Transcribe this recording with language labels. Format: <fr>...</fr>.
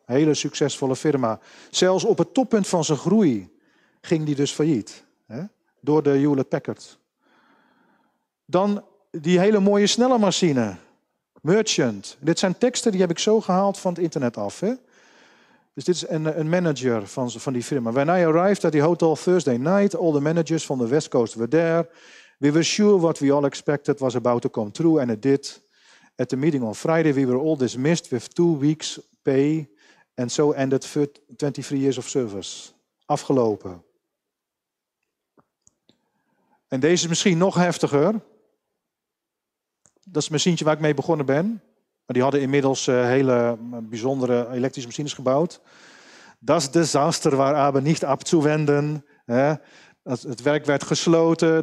<nl>Hele succesvolle firma. Zelfs op het toppunt van zijn groei ging die dus failliet. Hè? Door de Hewlett-Packard. Dan die hele mooie snelle machine. Merchant. Dit zijn teksten die heb ik zo gehaald van het internet af. Hè? Dus dit is een manager van die firma.</nl> <en>When I arrived at the hotel Thursday night, all the managers from the West Coast were there. We were sure what we all expected was about to come true, and it did. At the meeting on Friday, we were all dismissed with 2 weeks pay, and so ended 23 years of service.</en> <nl>Afgelopen. En deze is misschien nog heftiger. Dat is het machientje waar ik mee begonnen ben. Maar die hadden inmiddels hele bijzondere elektrische machines gebouwd.</nl> <de>Das Desaster war aber nicht abzuwenden.</de> <nl>Het werk werd gesloten.</nl>